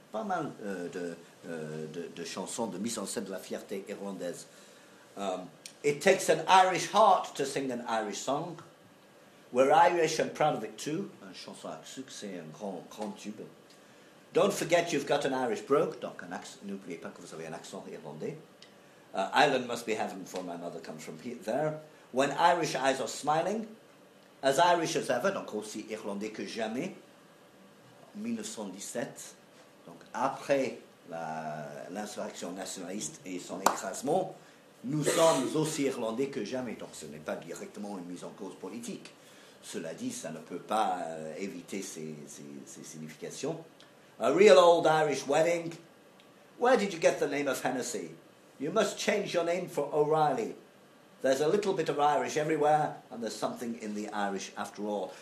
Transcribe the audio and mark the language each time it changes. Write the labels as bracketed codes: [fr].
[fr] Pas mal de chansons de mise en scène de la fierté irlandaise. [en] It takes an Irish heart to sing an Irish song. We're Irish and proud of it too. [fr] Une chanson à succès, un grand tube. [en] Don't forget you've got an Irish brogue. [fr] Donc, n'oubliez pas que vous avez un accent irlandais. [en] Ireland must be heaven for my mother comes from there. When Irish eyes are smiling. As Irish as ever, [fr] donc aussi irlandais que jamais, 1917, donc après l'insurrection nationaliste et son écrasement, nous sommes aussi irlandais que jamais, donc ce n'est pas directement une mise en cause politique. Cela dit, ça ne peut pas éviter ces significations. [en] A real old Irish wedding. Where did you get the name of Hennessy? You must change your name for O'Reilly. There's a little bit of Irish everywhere, and there's something in the Irish after all.